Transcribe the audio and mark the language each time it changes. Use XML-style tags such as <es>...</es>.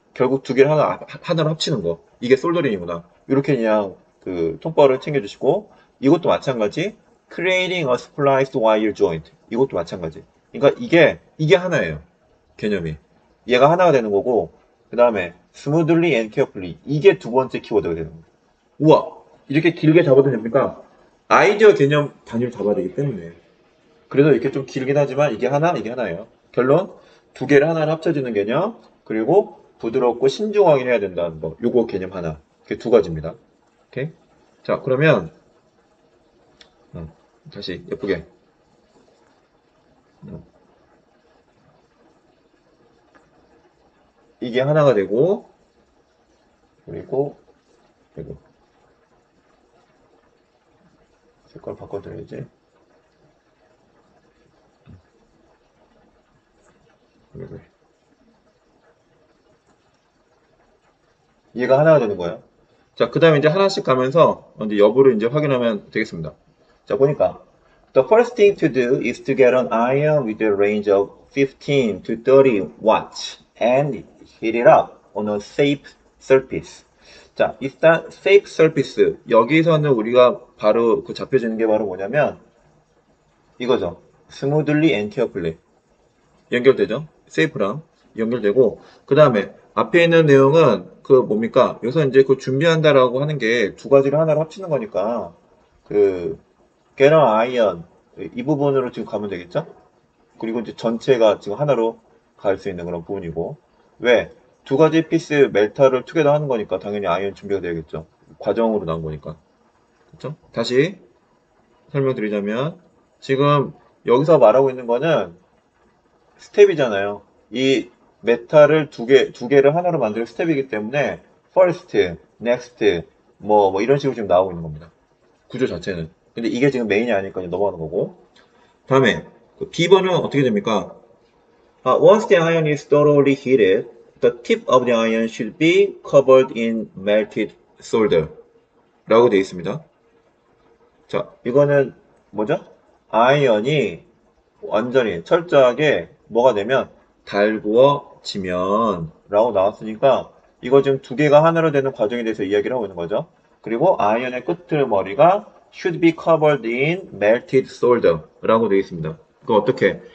<ko>결국 두 개를 하나로 합치는 거. 이게 솔더링이구나. 이렇게 그냥 그 통보를 챙겨주시고, 이것도 마찬가지.</ko> <en>Creating a spliced wire joint.</en> <ko>이것도 마찬가지. 그러니까 이게 하나예요. 개념이. 얘가 하나가 되는 거고, 그 다음에</ko> <en>smoothly and carefully.</en> <ko>이게 두 번째 키워드가 되는 거예요. 우와! 이렇게 길게 잡아도 됩니까? 아이디어 개념 단위로 잡아야 되기 때문에. 그래서 이렇게 좀 길긴 하지만 이게 하나예요. 결론, 두 개를 하나로 합쳐지는 개념, 그리고 부드럽고 신중하게 해야 된다는 거, 요거 개념 하나. 그게 두 가지입니다. 오케이? 자, 그러면, 다시 예쁘게. 이게 하나가 되고, 그리고, 색깔 바꿔드려야지. 얘가 하나가 되는 거예요. 자, 그 다음에 이제 하나씩 가면서 이제 여부를 이제 확인하면 되겠습니다. 자, 보니까</ko> <en>The first thing to do is to get an iron with a range of 15 to 30 watts and heat it up on a safe surface.</en> <ko>자, 일단</ko> <en>safe surface.</en> <ko>여기서는 우리가 바로 그 잡혀지는 게 바로 뭐냐면 이거죠.</ko> <en>Smoothly and carefully.</en> <ko>연결되죠? 세이프랑 연결되고, 그 다음에 앞에 있는 내용은 그 뭡니까? 여기서 이제 그 준비한다라고 하는 게두 가지를 하나로 합치는 거니까, 그</ko> <en>get an iron</en> <ko>이 부분으로 지금 가면 되겠죠? 그리고 이제 전체가 지금 하나로 갈수 있는 그런 부분이고, 왜두 가지 피스 메탈을 투게더 하는 거니까 당연히 iron 준비가 되겠죠. 과정으로 나온 거니까. 그렇죠? 다시 설명드리자면 지금 여기서 말하고 있는 거는 스텝이잖아요. 이 메탈을 두 개를 하나로 만들 스텝이기 때문에 first, next, 뭐 이런 식으로 지금 나오고 있는 겁니다. 구조 자체는. 근데 이게 지금 메인이 아니니까 넘어가는 거고. 다음에 그 B번은 어떻게 됩니까?</ko> <en>Once the iron is thoroughly heated, the tip of the iron should be covered in melted solder.</en> <ko>라고 되어 있습니다. 자, 이거는 뭐죠? 아이언이 완전히 철저하게 뭐가 되면 달구어지면 라고 나왔으니까 이거 지금 두 개가 하나로 되는 과정에 대해서 이야기를 하고 있는 거죠. 그리고 아이언의 끝머리가</ko> <en>should be covered in melted solder</en> <ko>라고 되어 있습니다. 그거 어떻게?</ko>